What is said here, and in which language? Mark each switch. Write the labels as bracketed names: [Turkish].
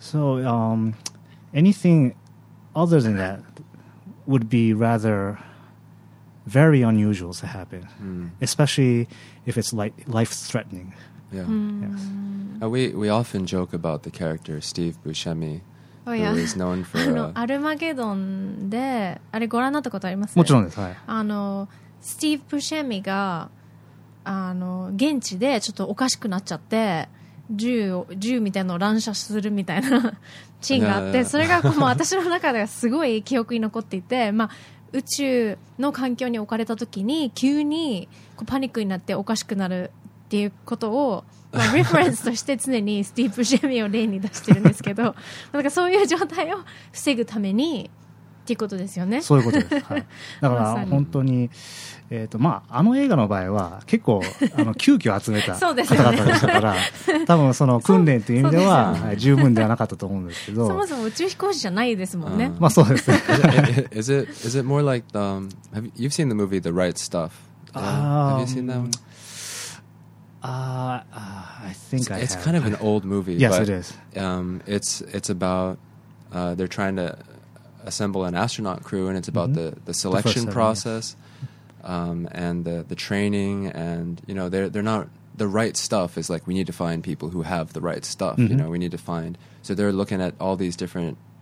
[English] So anything other than that would be rather very unusual to happen, especially if it's life-threatening. Yeah. Yes. We often joke about the character Steve Buscemi, who is known for... Armageddon, have you seen that? Of course. [Japanese] Steve Buscemi が あの現地でちょっとおかしくなっちゃって銃みたいなのを乱射するみたいなシーンがあってそれがこう私の中ではすごい記憶に残っていて、まあ、宇宙の環境に置かれた時に急にこうパニックになっておかしくなるっていうことを、まあ、リファレンスとして常にスティーブ・ジェミを例に出してるんですけどなんかそういう状態を防ぐためにっていうことですよね。そういうことです、はい、だから本当に、まあ、あの映画の場合は結構あの急遽集めた方々でしたから、ね、多分その訓練という意味では十分ではなかったと思うんですけどそもそも宇宙飛行士じゃないですもんね、まあそうです [English] ね is it more like the, have you, you've seen the movie The Right Stuff? Have you seen that one? I think it's, I have It's kind of an old movie Yes but, it is It's about they're trying toassemble an astronaut crew and it's about the selection process and the training and you know they're not the right stuff is like we need to find people who have the right stuff you know we need to find so they're looking at all these different